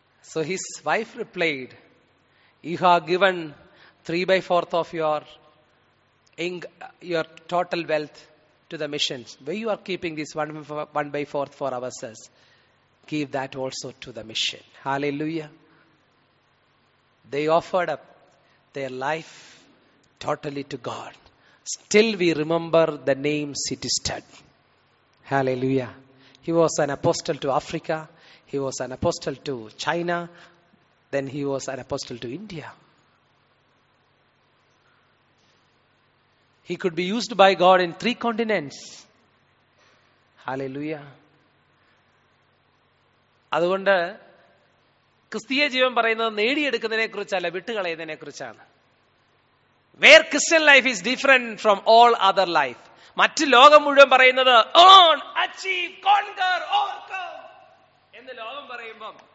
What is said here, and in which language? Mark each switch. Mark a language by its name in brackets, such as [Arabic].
[English] So his wife replied, you have given 3/4 of your total wealth to the missions. Where you are keeping this 1/4 for ourselves, give that also to the mission. Hallelujah. They offered up their life totally to God. Still we remember the name City Stud. Hallelujah. He was an apostle to Africa. He was an apostle to China. Then he was an apostle to India. He could be used by God in 3 continents. Hallelujah. [Malayalam] അതുകൊണ്ട് ക്രിസ്തീയ ജീവൻ പറയുന്നത് നേടിയെടുക്കുന്നതിനെ കുറിച്ചല്ല, വിട്ടുകളയുന്നതിനെ കുറിച്ചാണ്. [English] Where Christian life is different from all other life. [Malayalam] മറ്റ് ലോകം മുഴുവൻ പറയുന്നത് [English] own achieve conquer overcome [Malayalam] എന്ന് ലോകം പറയുമ്പം